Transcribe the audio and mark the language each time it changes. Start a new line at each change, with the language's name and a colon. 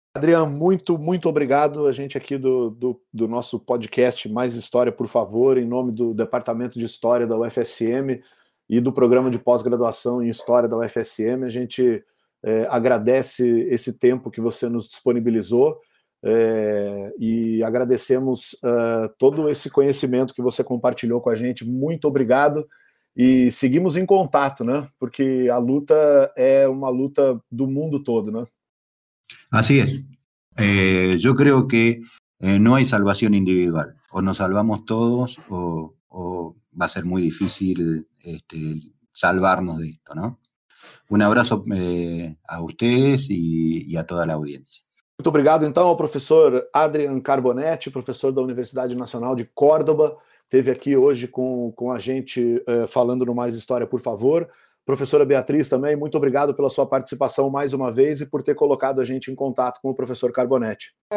Portuguese: Adrian, muito, muito obrigado. A gente aqui do nosso podcast Mais História, por favor, em nome do Departamento de História da UFSM e do Programa de Pós-Graduação em História da UFSM, a gente agradece esse tempo que você nos disponibilizou e agradecemos todo esse conhecimento que você compartilhou com a gente. Muito obrigado. E seguimos em contato, né? Porque a luta é uma luta do mundo todo, né?
Spanish: Así es. Yo creo que no hay salvación individual. O nos salvamos todos o va a ser muy difícil salvarnos de esto, ¿no? Un abrazo a ustedes y a toda la audiencia.
Portuguese: Muito obrigado, então, ao professor Adrian Carbonetti, professor da Universidade Nacional de Córdoba, esteve aqui hoje com a gente falando no Mais História, por favor. Professora Beatriz, também, muito obrigado pela sua participação mais uma vez e por ter colocado a gente em contato com o professor Carbonetti.